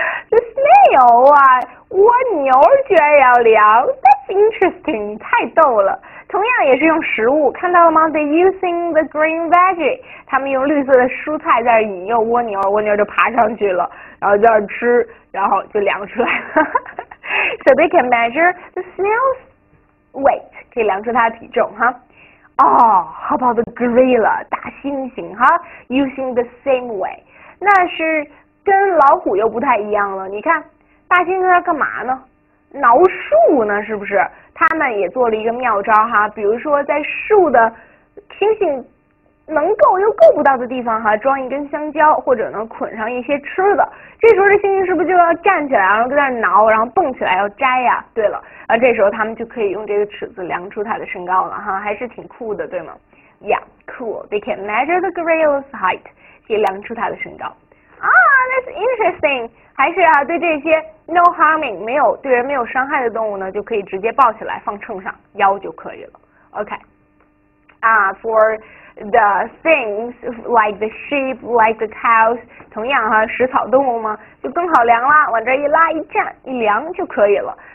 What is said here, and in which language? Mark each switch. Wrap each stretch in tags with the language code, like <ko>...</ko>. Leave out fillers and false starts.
<zh>这 snail 啊，蜗牛居然要量，</zh> <en>That's interesting，</en> <zh>太逗了。同样也是用食物，看到了吗？</zh> <en>They using the green veggie，</en> <zh>他们用绿色的蔬菜在引诱蜗牛，蜗牛就爬上去了，然后在那儿吃，然后就量出来了。</zh> <en>So they can measure the snail's weight，</en> <zh>可以量出它的体重哈。哦，</zh> <en>how about the gorilla，</en> <zh>大猩猩哈，</zh> <en>using the same way，</en> <zh>那是跟老虎又不太一样了。你看，大猩猩在干嘛呢？挠树呢，是不是？他们也做了一个妙招哈，比如说在树的猩猩能够又够不到的地方哈，装一根香蕉或者呢捆上一些吃的。这时候这猩猩是不是就要站起来，然后在那挠，然后蹦起来要摘呀？对了，啊，这时候他们就可以用这个尺子量出它的身高了哈，还是挺酷的，对吗？</zh> <en>Yeah, cool. They can measure the gorilla's height，</en> <zh>可以量出它的身高。</zh> <en>That's interesting.</en> <zh>还是啊，对这些</zh> <en>no harming</en> <zh>没有对人没有伤害的动物呢，就可以直接抱起来放秤上腰就可以了。OK.</zh> <en>For the things like the sheep, like the cows，</en> <zh>同样哈，食草动物嘛，就更好量啦，往这一拉一站一量就可以了。</zh>